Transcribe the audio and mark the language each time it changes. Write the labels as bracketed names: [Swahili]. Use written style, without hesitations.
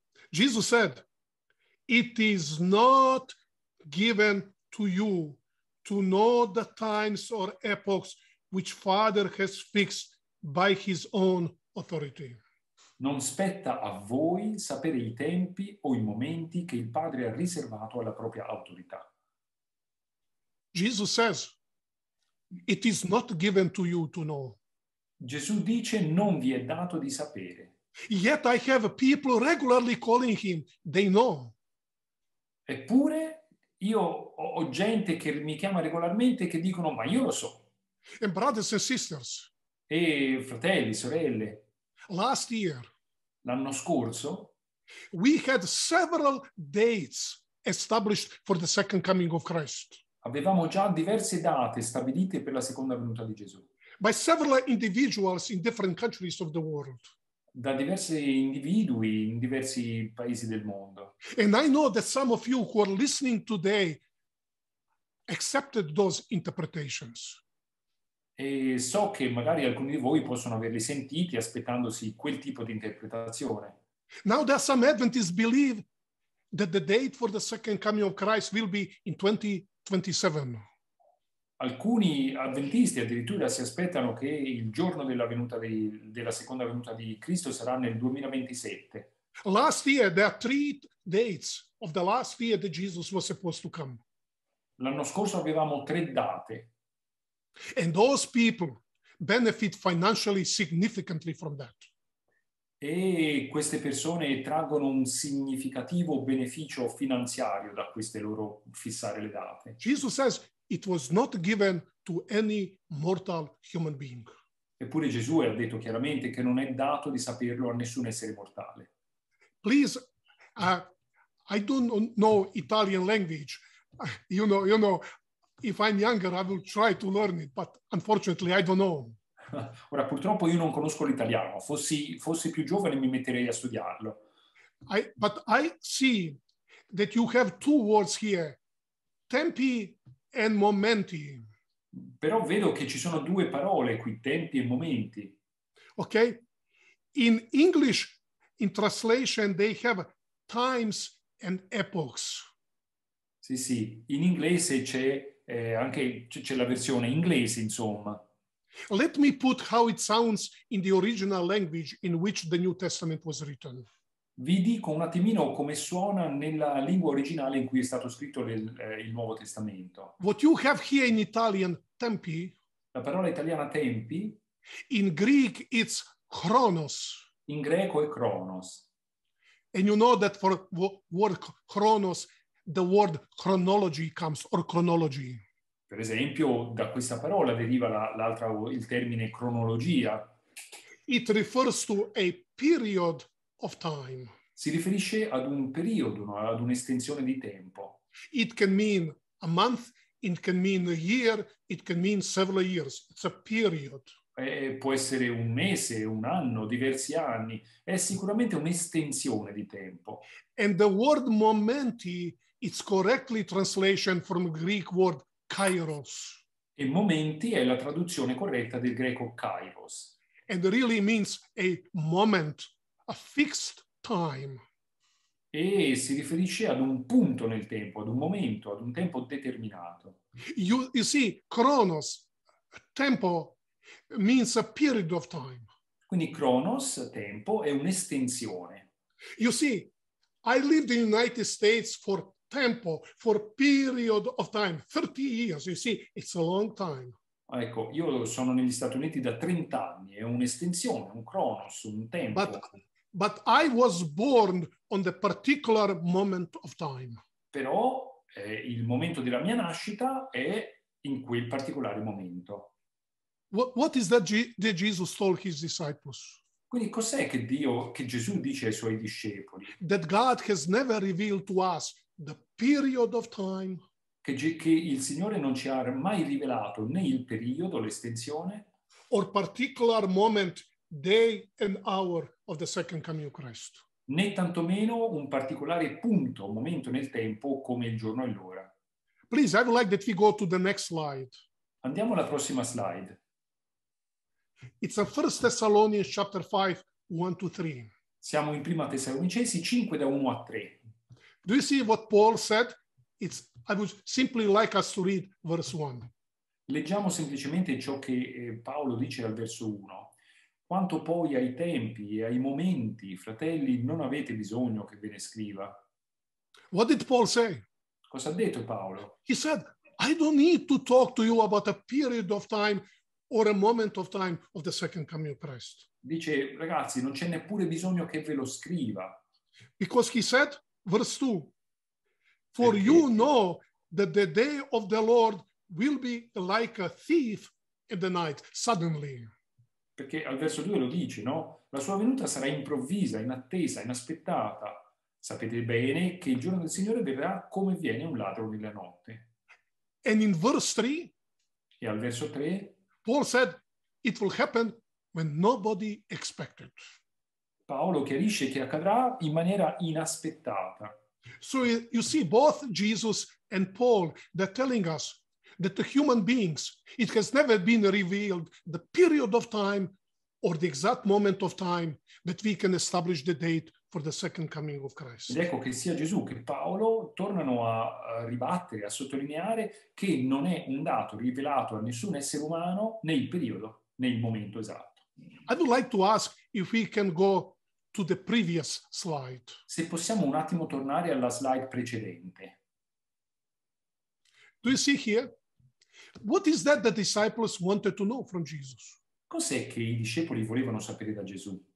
[English] Jesus said, it is not given to you to know the times or epochs which Father has fixed by his own authority. [Italian] Non spetta a voi sapere i tempi o i momenti che il Padre ha riservato alla propria autorità. [English] Jesus says, it is not given to you to know. [Italian] Gesù dice, non vi è dato di sapere. [English] Yet I have people regularly calling him, they know. [Italian] Eppure io ho gente che mi chiama regolarmente che dicono, ma io lo so. [English] And brothers and sisters. [Italian] E fratelli, sorelle. [English] Last year. [Italian] L'anno scorso. [English] We had several dates established for the second coming of Christ. [Italian] Avevamo già diverse date stabilite per la seconda venuta di Gesù. [English] By several individuals in different countries of the world. [Italian] Da diversi individui in diversi paesi del mondo. [English] And I know that some of you who are listening today accepted those interpretations. [Italian] E so che magari alcuni di voi possono averli sentiti aspettandosi quel tipo di interpretazione. [English] Now there are some Adventists believe that the date for the second coming of Christ will be in 2027. [Italian] Alcuni avventisti addirittura si aspettano che il giorno della venuta della seconda venuta di Cristo sarà nel 2027. [English] Last year there are 3 dates of the last year that Jesus was supposed to come. [Italian] L'anno scorso avevamo 3 date. [English] And those people benefit financially significantly from that. [Italian] E queste persone traggono un significativo beneficio finanziario da queste loro fissare le date. [English] Jesus says it was not given to any mortal human being. [Italian] Eppure Gesù ha detto chiaramente che non è dato di saperlo a nessun essere mortale. [English] Please, I don't know Italian language. You know, if I'm younger, I will try to learn it, but unfortunately, I don't know. [Italian] Ora, purtroppo io non conosco l'italiano. Fossi più giovane, mi metterei a studiarlo. [English] But I see that you have 2 words here. [Italian] Tempi. And momenti. Però vedo che ci sono 2 parole qui, tempi e momenti. [English] Ok? In English, in translation, they have times and epochs. [Italian] Sì, sì. In inglese c'è anche c'è la versione inglese, insomma. [English] Let me put how it sounds in the original language in which the New Testament was written. [Italian] Vi dico un attimino come suona nella lingua originale in cui è stato scritto il Nuovo Testamento. [English] What you have here in Italian, tempi. [Italian] La parola italiana tempi. [English] In Greek it's chronos. [Italian] In greco è chronos. [English] And you know that for word chronos, the word chronology comes, or chronology. [Italian] Per esempio, da questa parola deriva il termine cronologia. [English] It refers to a period of time. [Italian] Si riferisce ad un periodo, no? Ad un'estensione di tempo. [English] It can mean a month, it can mean a year, it can mean several years. It's a period. [Italian] Può essere un mese, un anno, diversi anni. È sicuramente un'estensione di tempo. [English] And the word momenti is correctly translation from Greek word kairos. [Italian] E momenti è la traduzione corretta del greco kairos. [English] And it really means a moment. a fixed time. [Italian] E si riferisce ad un punto nel tempo, ad un momento, ad un tempo determinato. [English] You see, chronos, tempo, means a period of time. [Italian] Quindi chronos, tempo, è un'estensione. [English] You see, I lived in the United States for tempo, for period of time, 30 years, you see, it's a long time. [Italian] Ecco, io sono negli Stati Uniti da 30 anni, è un'estensione, un chronos, un tempo. [English] But I was born on the particular moment of time. [Italian] Però il momento della mia nascita è in quel particolare momento. [English] What is that that Jesus told his disciples? [Italian] Quindi cos'è che Dio, che Gesù dice ai suoi discepoli? [English] That God has never revealed to us the period of time. [Italian] Che il Signore non ci ha mai rivelato né il periodo, l'estensione. [English] Or particular moment, day and hour of the second coming of Christ. [Italian] Né tantomeno un particolare punto, momento nel tempo, come il giorno e l'ora. [English] Please, I would like that we go to the next slide. [Italian] Andiamo alla prossima slide. [English] It's a First Thessalonians chapter 5, 1 to 3. [Italian] Siamo in Prima Tessalonicesi 5, da 1 a 3. [English] Do you see what Paul said? I would simply like us to read verse 1. [Italian] Leggiamo semplicemente ciò che Paolo dice al verso 1. Quanto poi ai tempi e ai momenti, fratelli, non avete bisogno che ve ne scriva. [English] What did Paul say? [Italian] Cosa ha detto Paolo? [English] He said, I don't need to talk to you about a period of time or a moment of time of the second coming of Christ. [Italian] Dice, ragazzi, non c'è neppure bisogno che ve lo scriva. [English] Because he said, verse 2, for you know that the day of the Lord will be like a thief in the night, suddenly. [Italian] Perché al verso 2 lo dice, no? La sua venuta sarà improvvisa, inattesa, inaspettata. Sapete bene che il giorno del Signore verrà come viene un ladro nella notte. [English] And in verse 3, [Italian] e al verso 3, [English] Paul said, it will happen when nobody expected. [Italian] Paolo chiarisce che accadrà in maniera inaspettata. [English] So you see, both Jesus and Paul, they're telling us that the human beings, it has never been revealed the period of time or the exact moment of time that we can establish the date for the second coming of Christ. [Italian] Ed ecco che sia Gesù che Paolo tornano a ribattere, a sottolineare che non è un dato rivelato a nessun essere umano né il periodo né il momento esatto. [English] I would like to ask if we can go to the previous slide. [Italian] Se possiamo un attimo tornare alla slide precedente. [English] Do you see here? What is that the disciples wanted to know from Jesus? [Italian] Cos'è che i discepoli volevano sapere da Gesù?